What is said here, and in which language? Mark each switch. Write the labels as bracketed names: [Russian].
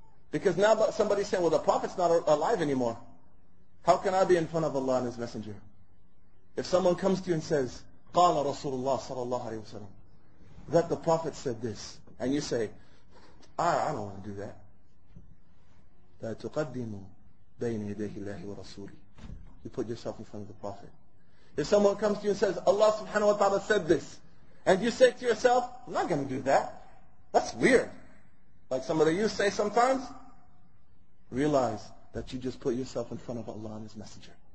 [English] Because now somebody's saying, well, the Prophet's not alive anymore. How can I be in front of Allah and His Messenger? If someone comes to you and says, [Arabic] قال رسول الله صلى الله عليه وسلم, [English] that the Prophet said this, and you say, I don't want to do that. [Arabic] لا تقدموا بين يديه الله ورسوله. [English] You put yourself in front of the Prophet. If someone comes to you and says, Allah subhanahu wa ta'ala said this, and you say to yourself, I'm not going to do that. That's weird. Like some of the youth say sometimes, realize that you just put yourself in front of Allah and His Messenger.